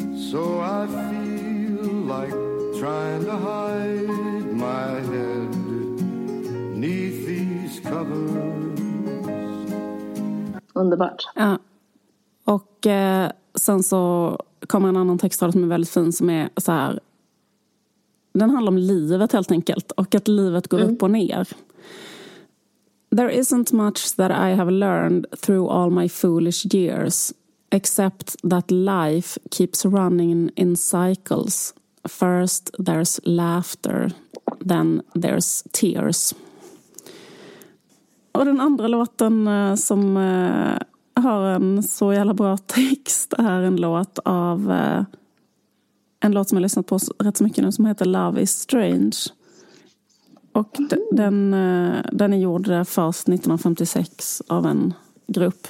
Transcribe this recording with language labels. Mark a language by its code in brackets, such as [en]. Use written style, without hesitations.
[en] So I feel like trying to hide my head neath these covers. [sv] Underbart. Ja. Och sen så kommer en annan textrad som är väldigt fin, som är så här. Den handlar om livet helt enkelt, och att livet går upp och ner. [en] There isn't much that I have learned through all my foolish years, except that life keeps running in cycles. First there's laughter, then there's tears. [sv] Och den andra låten som har en så jävla bra text är en låt av en låt som jag har lyssnat på rätt så mycket nu, som heter Love is Strange. Och den är gjord först 1956 av en grupp.